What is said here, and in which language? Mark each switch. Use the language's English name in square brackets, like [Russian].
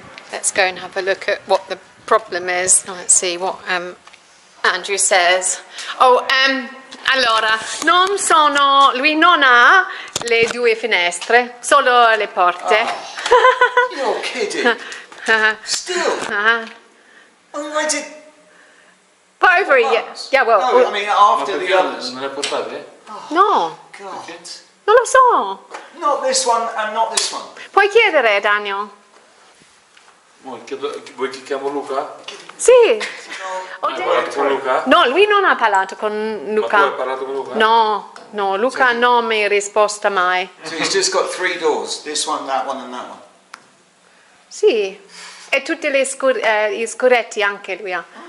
[English] Let's go and have a look at what the problem is. Let's see what Andrew says. Oh, [Italian] Allora, non sono, lui non ha le due finestre, solo le porte. [English] Oh. You're kidding. Still. Why did? But over here. Yeah, well. No, I mean after the others. [Italian] Non le portate? No. God. Non lo so. [English] Not this one and not this one. [Italian] Puoi chiedere, Daniel. Vuoi che chiamo Luca? Sì. Hai parlato con Luca? No, lui non ha parlato con Luca. Ma tu hai parlato con Luca? No, no, Luca sì. Non mi ha risposto mai. [English] So he's just got three doors, this one, that one and that one. [Italian] Sì, e tutti gli scuretti anche lui ha.